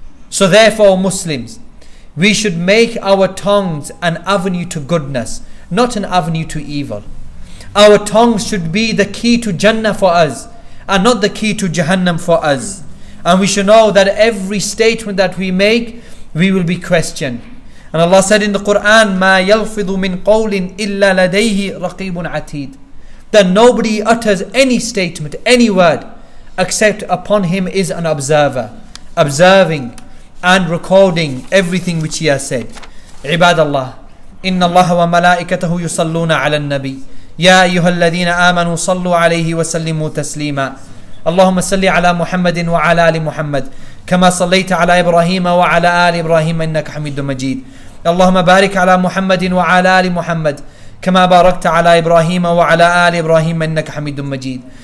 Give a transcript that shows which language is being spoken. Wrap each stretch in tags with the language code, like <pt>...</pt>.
<en>So therefore, Muslims, we should make our tongues an avenue to goodness, not an avenue to evil. Our tongues should be the key to Jannah for us, and not the key to Jahannam for us. And we should know that every statement that we make, we will be questioned. And Allah said in the Quran,</en> <ar>مَا يَلْفِظُ مِنْ قَوْلٍ إِلَّا لَدَيْهِ رَقِيبٌ عَتِيدٌ.</ar> <en>That nobody utters any statement, any word, except upon him is an observer, observing and recording everything which he has said.</en> <ar>Ibadallah, إِنَّ اللَّهَ وَمَلَائِكَتَهُ يُصَلُّونَ عَلَى النَّبِيِّ. يا أيها الذين آمنوا صلوا عليه وسلموا تسليما. اللهم صل على محمد وعلى آل محمد كما صليت على إبراهيم وعلى آل إبراهيم إنك حميد مجيد. اللهم بارك على محمد وعلى آل محمد كما باركت على إبراهيم وعلى آل إبراهيم إنك حميد مجيد.</ar>